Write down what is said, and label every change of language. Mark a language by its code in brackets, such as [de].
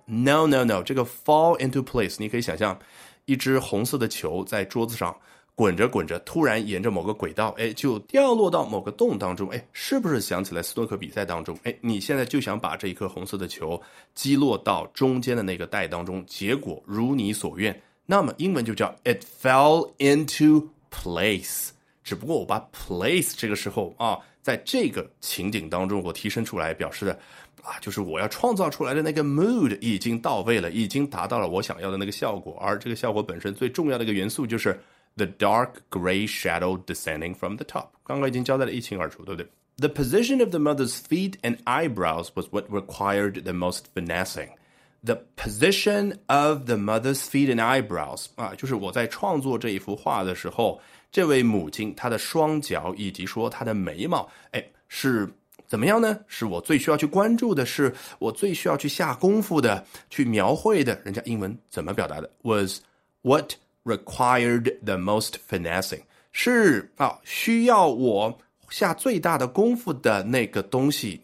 [en] No no no， [zh] 这个 fall into place 你可以想象一只红色的球在桌子上滚着滚着突然沿着某个轨道，哎，就掉落到某个洞当中，哎，是不是想起来斯诺克比赛当中，哎，你现在就想把这一颗红色的球击落到中间的那个带当中，结果如你所愿，那么英文就叫 [en] it fell into place， [zh] 只不过我把 place 这个时候啊，在这个情景当中我提升出来表示的啊，就是我要创造出来的那个 mood 已经到位了，已经达到了我想要的那个效果，而这个效果本身最重要的一个元素就是 [en] The dark gray shadow descending from the top. [zh] 刚刚已经交代了一清二楚，对不对？ [en] The position of the mother's feet and eyebrows was what required the most finessing. The position of the mother's feet and eyebrows. [zh] 啊，就是我在创作这一幅画的时候，这位母亲她的双脚以及说她的眉毛，哎，是怎么样呢？是我最需要去关注的，是我最需要去下功夫的，去描绘的。人家英文怎么表达的？ [en] Was what required the most finessing， [zh] 是、啊、需要我下最大的功夫的那个东西。